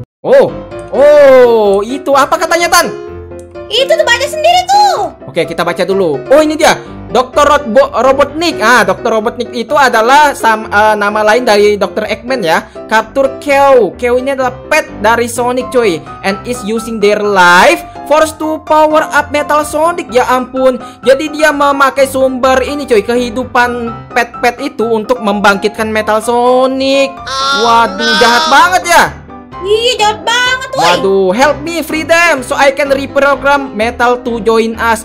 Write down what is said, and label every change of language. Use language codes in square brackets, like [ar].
[id] Oh. Oh, itu apa katanya, Tan? Itu tuh baca sendiri tuh. Oke, kita baca dulu. Oh, ini dia. Dr. Robotnik. Ah, Dr. Robotnik itu adalah nama lain dari Dr. Eggman ya. Capture Keo. Keo ini adalah pet dari Sonic, cuy. [en] And is using their life force to power up Metal Sonic. [id] Ya ampun. Jadi dia memakai sumber ini, cuy, kehidupan pet-pet itu untuk membangkitkan Metal Sonic. Waduh, jahat banget ya. Ih, jahat banget, woy. [en] Waduh, help me free them so I can reprogram Metal to join us.